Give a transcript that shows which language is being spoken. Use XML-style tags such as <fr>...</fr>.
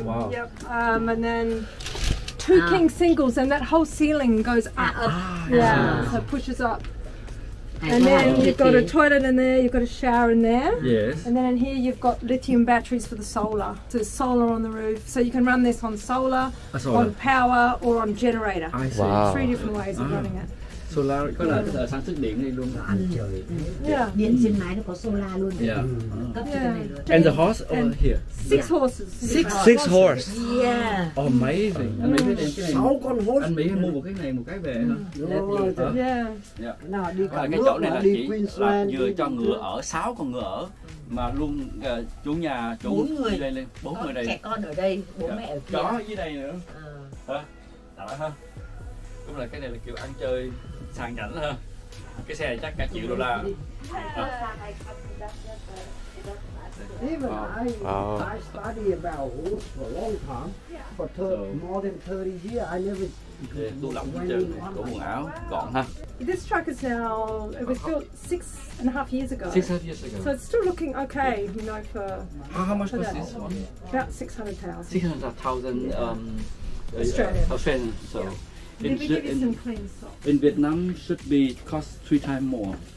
<en>Two king singles and that whole ceiling goes up. Yeah, so it pushes up. And then you've got a toilet in there, you've got a shower in there. Yes. And then in here you've got lithium batteries for the solar. So solar on the roof. So you can run this on solar, on power, or on generator. I see. Three different ways of running it.</en> <vi>solar có là sản xuất điện này luôn. Ăn trời. Điện trên mái nó có solar luôn.</vi> <en>Yeah. And the horse over here. Six horses. Yeah. Oh, amazing.</en> <vi>Mm. Anh Mỹ cái này. 6 con horse. Anh Mỹ mua một cái này một cái về.</vi> <en>Yeah. Yeah.</en> <vi>Cái chỗ này là chỉ là vừa cho ngựa ở, 6 con ngựa ở. Mà luôn chủ nhà chủ 4 người đây lên, 4 người đây. Trẻ con ở đây, bố mẹ ở kia. Chó dưới đây nữa. Đó, ha. Cũng là cái này là kiểu ăn chơi sang chảnh ha. Cái xe này chắc cả triệu đô la.</vi> <en>Even I study about horse for a long time, but more than 30 years I never.</en> <vi>Tu lòng hết trơn, đủ quần áo, gọn ha.</vi> <en>This truck is now, it was built 6.5 years ago. 6.5 years ago. So it's still looking okay, you know, for. How much was this one? About 600,000. 600,000. Australian. Australian, so yeah. In, some in Vietnam should be cost 3 times more.</en>